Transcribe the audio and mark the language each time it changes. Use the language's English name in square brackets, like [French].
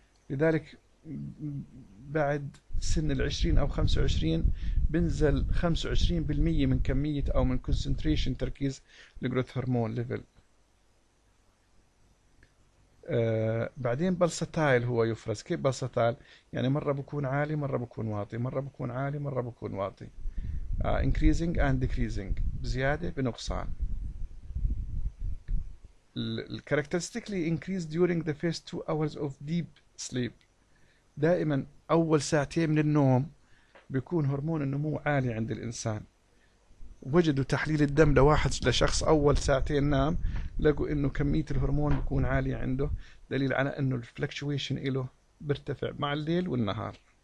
[Arabic] لذلك بعد سن 20 أو 25 بنزل 25% من كمية أو من concentration تركيز الجروث هرمون ليفل. بعدين بلساتايل هو يفرز. كيف بلساتايل؟ يعني مرة بكون عالي مرة بكون واطي، مرة بكون عالي مرة بكون واطي، increasing and decreasing بزيادة بنقصان. [English] Characteristically increase during the first 2 hours of deep sleep. [Arabic] دائما أول ساعتين من النوم بيكون هرمون النمو عالي عند الإنسان. وجدوا تحليل الدم لواحد لشخص أول ساعتين نام لقوا إنه كمية الهرمون بيكون عالية عنده، دليل على إنه الفلكشويشن إله بيرتفع مع الليل والنهار.